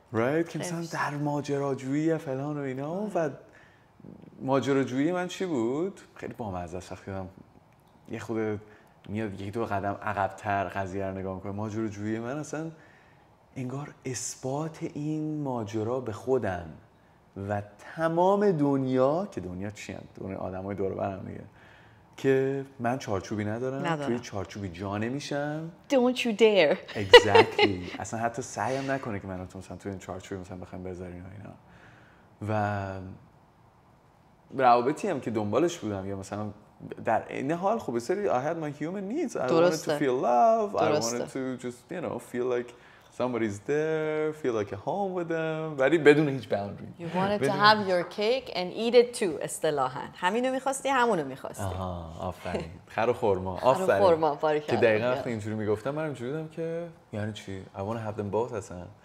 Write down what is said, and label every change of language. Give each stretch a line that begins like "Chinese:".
Persian: رایت که مثلا در ماجراجویی فلان و اینا و ماجراجویی من چی بود خیلی بامزه است وقتی دارم یه خود میاد یک دو قدم عقب‌تر قضیه رو نگاه میکنه ماجراجویی من اصلا انگار اثبات این ماجرا به خودم و تمام دنیا که دنیا چی هست؟ دنیا آدم های دور برم میگه که من چارچوبی ندارم توی چارچوبی جا نمیشم
English: Don't you dare
Persian: Exactly اصلا حتی سعیم نکنه که من رو تو مثلا توی این چارچوبی مثلا بخواییم بذارین و اینا و روابطی هم که دنبالش بودم یا مثلا در این حال خب بسیاری
English: I had my human needs I
Persian: درسته.
English: Wanted to feel love
Persian: درسته.
English: I wanted to just you know feel like Somebody's there, feel like a home with them.
Persian: ولی بدون هیچ باوندری.
English: You wanted to have your cake and eat it too, اصطلاحاً.
Persian: همینو میخواستی، همونو میخواستی. آها، آفرین. خر و خرما، آفرین. خر و خرما، باریکلا. که دقیقاً وقتی اینجوری میگفتم، من اینجوری بودم که یعنی چی؟
English: I want to have them both
Persian: اصلا.